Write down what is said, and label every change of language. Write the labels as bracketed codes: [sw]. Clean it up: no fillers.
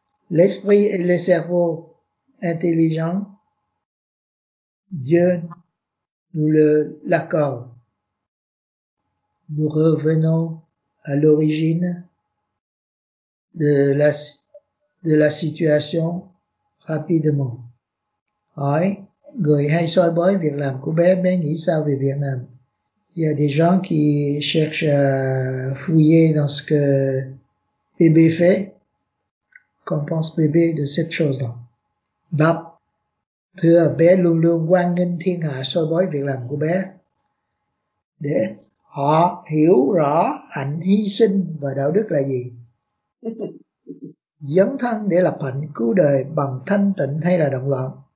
[fr] L'esprit et le cerveau intelligent, Dieu nous l'accorde. Nous revenons à l'origine de la situation rapidement. [vi] Hi, người hay soi bói việc làm của bé bé nghĩ sao về Việt Nam? [fr] Il y a des gens qui cherchent à fouiller dans ce que bébé fait. Qu'en pense bébé de cette chose-là? [vi] Bap, thưa bé luôn luôn quan nghiên thiên hạ soi bói việc làm của bé. Để họ hiểu rõ hạnh hy sinh và đạo đức là gì. Dấn thân để lập hạnh cứu đời bằng thanh tịnh hay là động loạn.